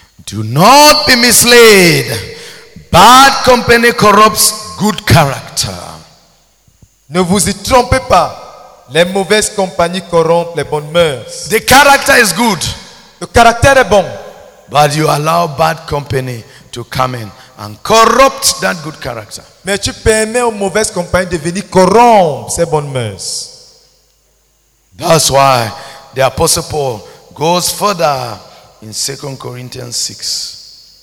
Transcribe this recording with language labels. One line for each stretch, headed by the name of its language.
English: Do not be misled. Bad company corrupts good character.
French: Ne vous y trompez pas. Les mauvaises compagnies corrompent les bonnes mœurs.
English: The character is good.
French: Le caractère est bon.
English: But you allow bad company to come in and corrupt that good character.
French: Mais tu permets aux mauvaises compagnies de venir corrompre ces bonnes mœurs.
English: That's why the Apostle Paul goes further in 2 Corinthians 6.